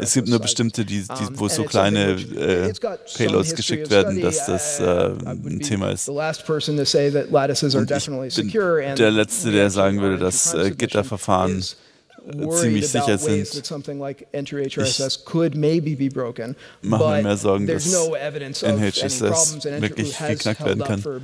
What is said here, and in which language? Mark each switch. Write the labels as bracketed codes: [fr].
[de] Es gibt nur bestimmte, wo so kleine Payloads geschickt werden, dass das ein Thema ist. [en] The last person to say that lattices are definitely secure, and [de] der letzte, der sagen würde, dass Gitterverfahren ziemlich sicher sind. Mache mir mehr Sorgen, dass NHSS wirklich geknackt werden kann.